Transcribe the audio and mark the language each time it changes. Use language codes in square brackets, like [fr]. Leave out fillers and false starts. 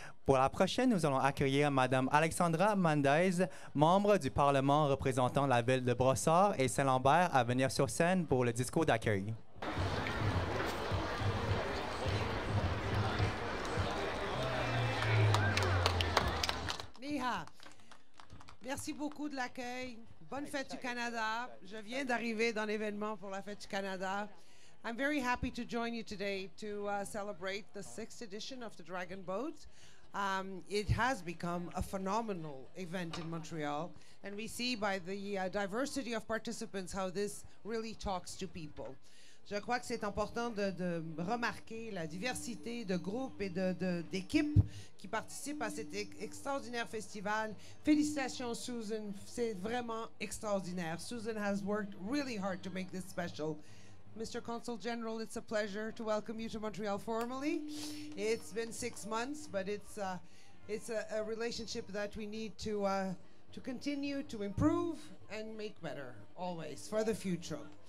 [fr] Pour la prochaine, nous allons accueillir Madame Alexandra Mendes, membre du Parlement représentant la ville de Brossard et Saint-Lambert, à venir sur scène pour le discours d'accueil. Merci beaucoup de l'accueil. Bonne fête du Canada. Je viens d'arriver dans l'événement pour la fête du Canada. [en] I'm very happy to join you today to celebrate the 6th edition of the Dragon Boat. It has become a phenomenal event in Montreal, and we see by the diversity of participants how this really talks to people. [fr] Je crois que c'est important de remarquer la diversité de groupes et d'équipes qui participent à cet extraordinaire festival. Félicitations, Susan. C'est vraiment extraordinaire. [en] Susan has worked really hard to make this special. Mr. Consul General, it's a pleasure to welcome you to Montreal formally. It's been 6 months, but it's a relationship that we need to continue to improve and make better, always, for the future.